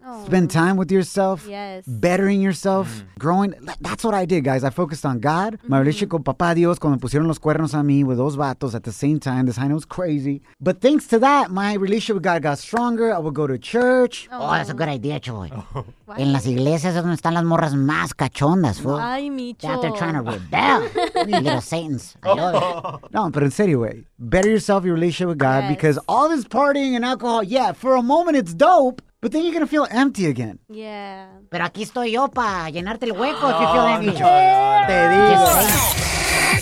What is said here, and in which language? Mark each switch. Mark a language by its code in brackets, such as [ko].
[en] Aww. Spend time with yourself. Yes. Bettering yourself. Mm. Growing. That's what I did, guys. I focused on God. My relationship [es] con Papá Dios, cuando me pusieron los cuernos a mí with dos vatos [en] at the same time. This hyena was crazy. But thanks to that, my relationship with God got stronger. I would go to church. Aww. Oh, that's a good idea, Choy. Oh. Wow. [es] En las iglesias es donde están las morras más cachondas, fool. Ay, Micho. [en] That they're trying to rebel. Little Satans. I love it. No, but in serio, way, better yourself, your relationship with God, yes. Because all this partying and alcohol, yeah, for a moment it's dope. But then you're going to feel empty again. Yeah. [es] Pero aquí estoy yo para llenarte el hueco [en] if you feel empty. [es] No, no, te digo.